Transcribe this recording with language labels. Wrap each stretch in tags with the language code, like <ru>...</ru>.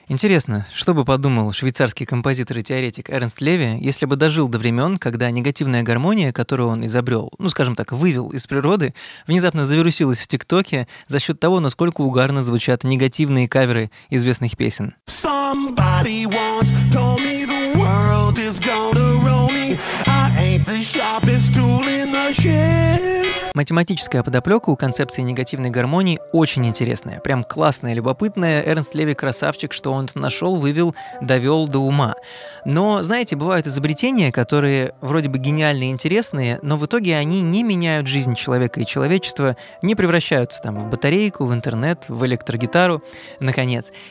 <ru>Интересно, что бы подумал швейцарский композитор и теоретик Эрнст Леви, если бы дожил до времен, когда негативная гармония, которую он изобрел, ну, скажем так, вывел из природы, внезапно завирусилась в ТикТоке за счет того, насколько угарно звучат негативные каверы известных песен.</ru> <en>Somebody once told me the world is gonna roll me. I ain't the sharpest tool in the shed.</en> <ru>Математическая подоплека у концепции негативной гармонии очень интересная. Прям классная, любопытная. Эрнст Леви красавчик, что он это нашел, вывел, довел до ума. Но, знаете, бывают изобретения, которые вроде бы гениальные и интересные, но в итоге они не меняют жизнь человека и человечества, не превращаются там в батарейку, в интернет, в электрогитару, наконец.</ru>